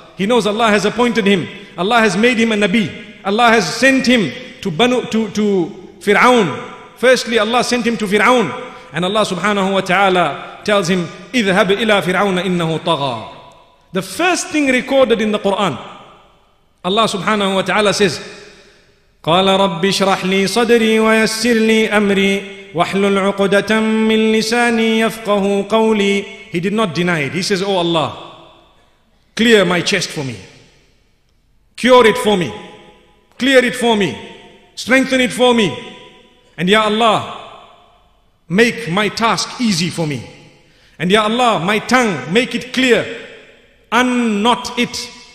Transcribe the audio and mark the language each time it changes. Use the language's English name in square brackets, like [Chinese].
[English] He knows Allah has appointed him. Allah has made him a Nabi. Allah has sent him to Fir'aun. Firstly, Allah sent him to Fir'aun. And Allah subhanahu wa ta'ala tells him, [Arabic] اذهب إلى فرعون إنه طغى. [English] The first thing recorded in the Quran, Allah subhanahu wa ta'ala says, [Arabic] قال ربي اشرح لي صدري ويسر لي أمري واحلل عقدة من لساني يفقه قولي. [English] He did not deny it. He says, oh Allah, clear my chest for me. Cure it for me. Clear it for me. Strengthen it for me. And ya Allah, make my task easy for me. And ya Allah, my tongue, make it clear. Unknot it.